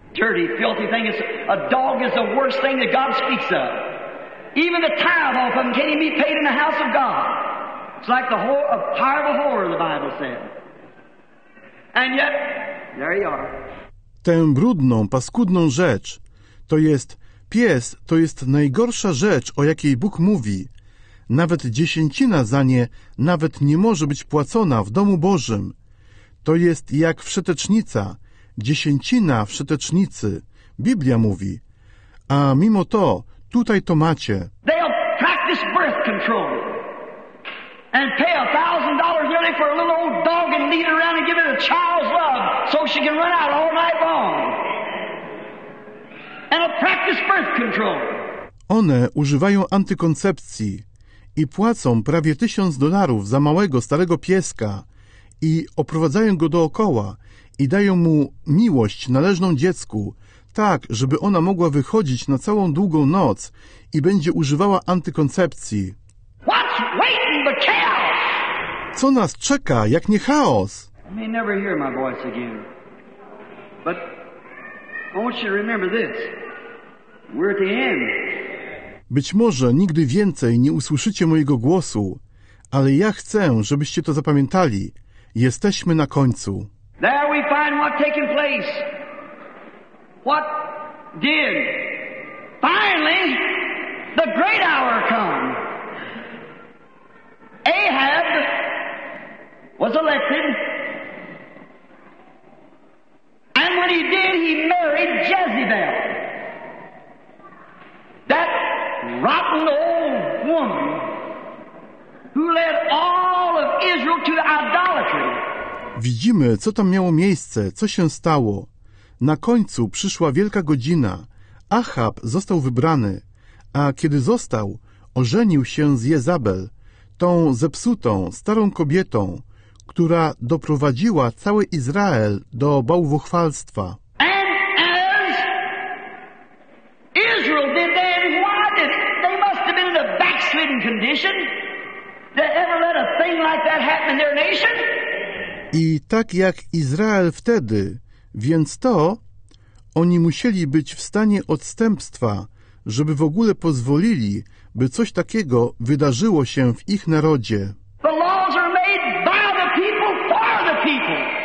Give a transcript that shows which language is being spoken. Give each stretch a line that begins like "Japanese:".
English: Dirty, filthy thing is, a dog is the worst thing that God speaks of. Even the tithe off of him can't even be paid in the house of God. It's like the whore, a hire of a whore, the Bible said. And yet, there you are.
Polish: Tę brudną, paskudną rzecz, to jest pies, to jest najgorsza rzecz, o jakiej Bóg mówi. Nawet dziesięcina za nie nawet nie może być płacona w domu Bożym. To jest jak wszetecznica, dziesięcina wszetecznicy, Biblia mówi. A mimo to, tutaj to macie.
English: They'll practice birth control and pay $1,000 nearly for a little old dog and lead it around and give it a child's love so she can run out all night long. And they'll practice birth control.
Polish: One używają antykoncepcji i płacą prawie $1,000 za małego, starego pieska i oprowadzają go dookoła i dają mu miłość należną dziecku, tak, żeby ona mogła wychodzić na całą długą noc i będzie używała antykoncepcji.
English: What's waiting but chaos?
Polish: Co nas czeka, jak nie chaos?
English: I may never hear my voice again. But I want you to remember this. We're at the end.
Polish: Być może nigdy więcej nie usłyszycie mojego głosu, ale ja chcę, żebyście to zapamiętali. Jesteśmy na końcu.
English: There we find what taking place. What did? Finally, the great hour come. Ahab was elected. And when he did, he married Jezebel. That rotten old woman who led all of Israel to idolatry.
Polish: Widzimy, co tam miało miejsce, co się stało. Na końcu przyszła wielka godzina. Achab został wybrany, a kiedy został, ożenił się z Jezabel, tą zepsutą, starą kobietą, która doprowadziła cały Izrael do bałwochwalstwa.
English: And as Israel did then, why did they must have been in a backslidden condition to ever let a thing like that happen in their nation?
Polish: I tak jak Izrael wtedy, więc to, oni musieli być w stanie odstępstwa, żeby w ogóle pozwolili, by coś takiego wydarzyło się w ich narodzie.
English: The laws are made by the people for the people.